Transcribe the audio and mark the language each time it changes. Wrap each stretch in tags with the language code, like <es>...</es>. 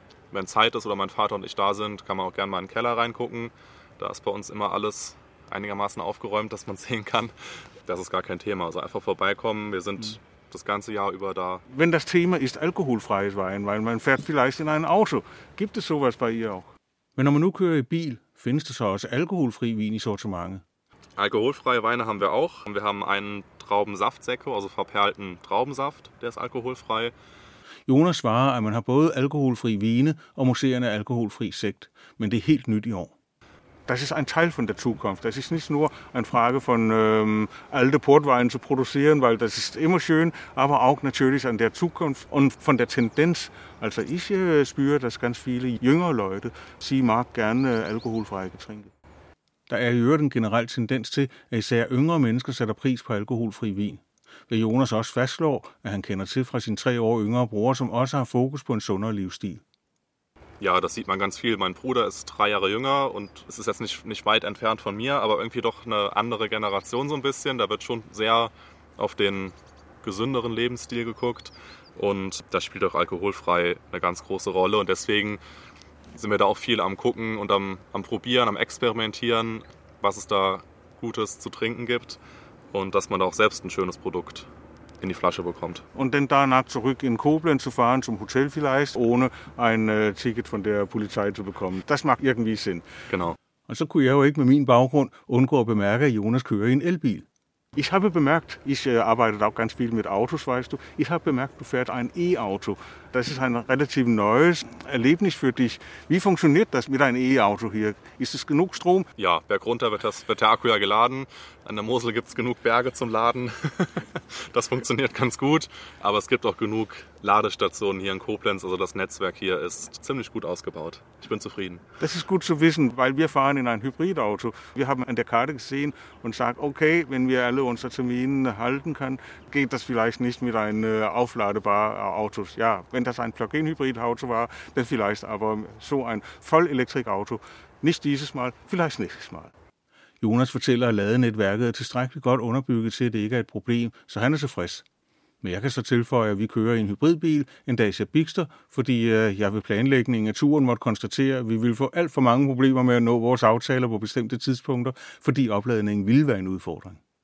<de>Wenn Zeit ist oder mein Vater und ich da sind, kann man auch gerne mal in den Keller reingucken. Da ist bei uns immer alles einigermaßen aufgeräumt, dass man sehen kann. Das ist gar kein Thema. Also einfach vorbeikommen. Wir sind das ganze Jahr über da. Wenn das Thema ist alkoholfreies Wein, weil man fährt vielleicht in ein Auto. Gibt es sowas bei ihr auch?</de> <da>Wenn man nu kører i bil,</da> <de>findest du</de> <da>så også alkoholfri Wein i Sortimentet?</da> <de>Alkoholfreie Weine haben wir auch. Wir haben einen Traubensaftsekko, also verperlten Traubensaft, der ist alkoholfrei.</de> <da>Jonas svarer, at man har både alkoholfri vine og moserende alkoholfri sekt, men det er helt nyt i år.</da> <de>Das ist ein Teil von der Zukunft. Das ist nicht nur eine Frage von alte Portweine zu produzieren, weil das ist immer schön, aber auch natürlich an der Zukunft und von der Tendenz. Also ich spüre, dass ganz viele jüngere Leute, sie mag gerne alkoholfreie Getränke.</de> <da>Der er i øvrigt en generel tendens til, at især yngre mennesker sætter pris på alkoholfri vin. Hvad Jonas også fastslår, at han kender til fra sin 3 år yngre bror, som også har fokus på en sundere livsstil.</da> <de>Ja, das sieht man ganz viel. Mein Bruder ist 3 Jahre jünger und es ist jetzt nicht weit entfernt von mir, aber irgendwie doch eine andere Generation so ein bisschen. Da wird schon sehr auf den gesünderen Lebensstil geguckt und da spielt auch alkoholfrei eine ganz große Rolle. Und deswegen sind wir da auch viel am Gucken und am Probieren, am Experimentieren, was es da Gutes zu trinken gibt und dass man da auch selbst ein schönes Produkt in die Flasche bekommt. Und dann danach zurück in Koblenz zu fahren, zum Hotel vielleicht, ohne ein Ticket von der Polizei zu bekommen. Das macht irgendwie Sinn. Genau.</de> <da>Und so kunne jeg jo ikke med min baggrund undgå at bemærke, at Jonas kører i en elbil.</da> <de>Ich habe bemerkt, ich arbeite auch ganz viel mit Autos, weißt du. Ich habe bemerkt, du fährst ein E-Auto. Das ist ein relativ neues Erlebnis für dich. Wie funktioniert das mit einem E-Auto hier? Ist es genug Strom? Ja, bergunter wird der Akku ja geladen. An der Mosel gibt es genug Berge zum Laden. Das funktioniert ganz gut. Aber es gibt auch genug Ladestationen hier in Koblenz. Also das Netzwerk hier ist ziemlich gut ausgebaut. Ich bin zufrieden. Das ist gut zu wissen, weil wir fahren in ein Hybridauto. Wir haben an der Karte gesehen und sagen, okay, wenn wir alle unsere Termine halten können, geht das vielleicht nicht mit einem aufladbaren Auto. Ja, wenn das ein Plug-in-Hybrid-Auto war, dann vielleicht. Aber so ein Vollelektrik-Auto, nicht dieses Mal, vielleicht nächstes Mal.</de> <da>Jonas fortæller, at ladenetværket er tilstrækkeligt godt underbygget til, at det ikke er et problem, så han er tilfreds. Men jeg kan så tilføje, at vi kører i en hybridbil, en Dacia Bigster, fordi jeg ved planlægningen af turen måtte konstatere, at vi ville få alt for mange problemer med at nå vores aftaler på bestemte tidspunkter, fordi opladningen ville være en udfordring.</da>